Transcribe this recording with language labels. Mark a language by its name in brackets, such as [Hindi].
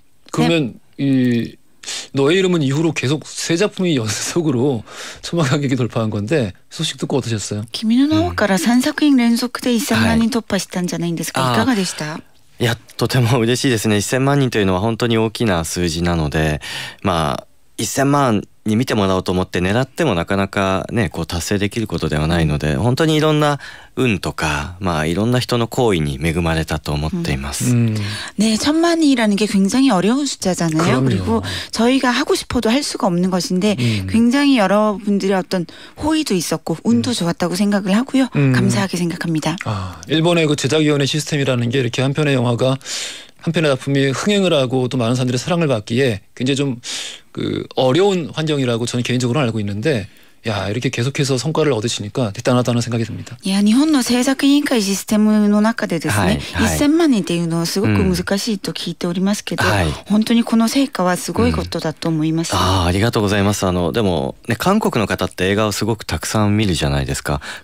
[Korean] 그러면 이 너의 이름은 이후로 계속 세 작품이 연속으로 1000만 관객이 돌파한 건데 소식 듣고 어떠셨어요? [Japanese] 君の名はから 3作品 連続で 1000만 人 突破したんじゃないんですか? いかがでした? いや、とても嬉しいですね.1000만 人というのは本当に大きな数字なので、 1000万 に見てもらおうと思って狙ってもなかなかねこう達成できることではないので本当にいろんな運とかまあいろんな人の好意に恵まれたと思っています。 [Korean] 1000万人이라는 게 굉장히 어려운 숫자잖아요. 그럼요. 그리고 저희가 하고 싶어도 할 수가 없는 것인데 굉장히 여러분들의 어떤 호의도 있었고 운도 좋았다고 생각을 하고요. 감사하게 생각합니다. 일본의 그 제작위원회 시스템이라는 게 이렇게 한편의 영화가 한편의 작품이 흥행을 하고 또 많은 사람들의 사랑을 받기에 굉장히 좀 어려운 환경이라고 저는 개인적으로 알고 있는데 야 이렇게 계속해서 성과를 얻으시니까 대단하다는 생각이 듭니다. 야, 일본의 제작인회 시스템 [Japanese] の中でですね 1000万人っていうのはすごく難しいと聞いておりますけど本当にこの成果はすごいことだと思います. 아,ありがとうございます. でもね韓国の方って映画をすごくたくさん見るじゃないですか.